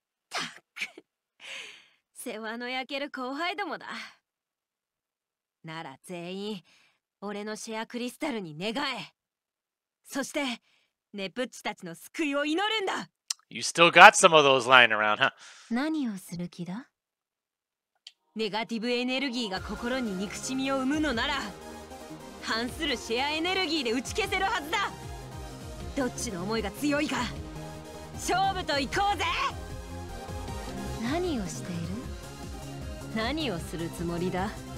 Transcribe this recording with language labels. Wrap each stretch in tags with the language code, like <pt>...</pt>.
<ja>たく世話の焼ける後輩どもだ。なら全員俺のシェアクリスタルに願え、そしてネプッチたちの救いを祈るんだ。</ja> <en>You still got some of those lying around, huh?</en> <ja>何をする気だ。ネガティブエネルギーが心に憎しみを生むのなら、反するシェアエネルギーで打ち消せるはずだ。どっちの思いが強いか勝負と行こうぜ。何をしている、何をするつもりだ。</ja>